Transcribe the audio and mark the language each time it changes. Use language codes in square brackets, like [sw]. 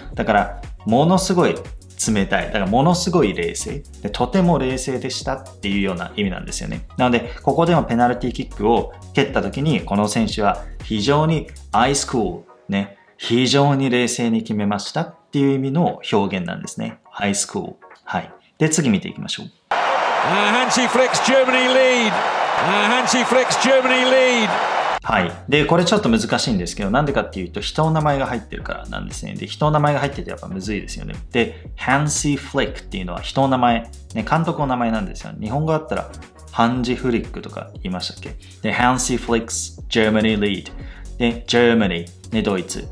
[ja] だからものすごい冷たい、だからものすごい冷静で、とても冷静でしたっていうような意味なんですよね。なのでここでもペナルティキックを蹴った時に、この選手は非常に Ice Cool、ね、非常に冷静に決めましたっていう意味の表現なんですね。 Ice Cool、はい、で次見ていきましょう。 [en] Hansi Flick's Germany lead. Hansi Flick's Germany lead. [ja] はい。で、これちょっと難しいんですけど、なんでかっていうと、人の名前が入ってるからなんですね。で、人の名前が入っててやっぱむずいですよね。で、Hansi Flick っていうのは人の名前。ね、監督の名前なんですよ。日本語だったら、ハンジ・フリックとか言いましたっけ。で、Hansi Flick's Germany lead。で、Germany。ね、ドイツ。